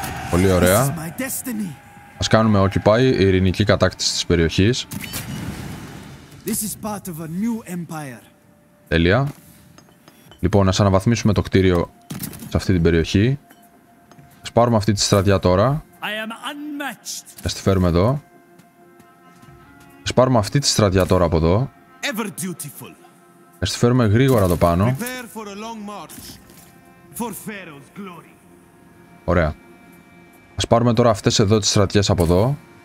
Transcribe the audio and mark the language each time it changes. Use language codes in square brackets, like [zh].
[el] Πολύ ωραία. Ας κάνουμε occupy, η ειρηνική κατάκτηση της περιοχής. [en] This is part of a new empire. [el] Τέλεια. Λοιπόν, ας αναβαθμίσουμε το κτίριο σε αυτή την περιοχή. Ας πάρουμε αυτή τη στρατιά τώρα. [en] I am unmatched. [el] Ας τη φέρουμε εδώ. Ας πάρουμε αυτή τη στρατιά τώρα από εδώ. [en] Ever dutiful. [el] Ας τη φέρουμε γρήγορα εδώ πάνω. [en] Prepare for a long march for Pharaoh's glory. [el] Ωραία. Ας πάρουμε τώρα αυτές εδώ τις στρατιές από εδώ.